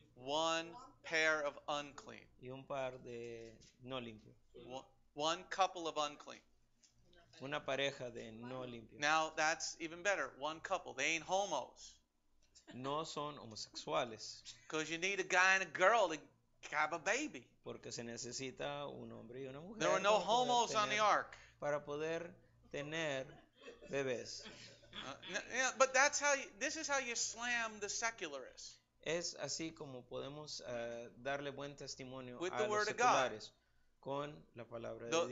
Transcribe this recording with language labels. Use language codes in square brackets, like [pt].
[en] 1 pair of unclean. [es] Y un par de no limpio. [en] One couple of unclean. [es] Una pareja de no limpio. [en] Now that's even better. One couple. They ain't homos. [es] No son homosexuales. [en] Because you need a guy and a girl to have a baby. [es] Porque se necesita un hombre y una mujer. [en] There were no homos on the ark. [es] Para poder tener bebés. [en] But that's how this is how you slam the secularists. [es] Es así como podemos darle buen testimonio a los seculares con la palabra de Dios.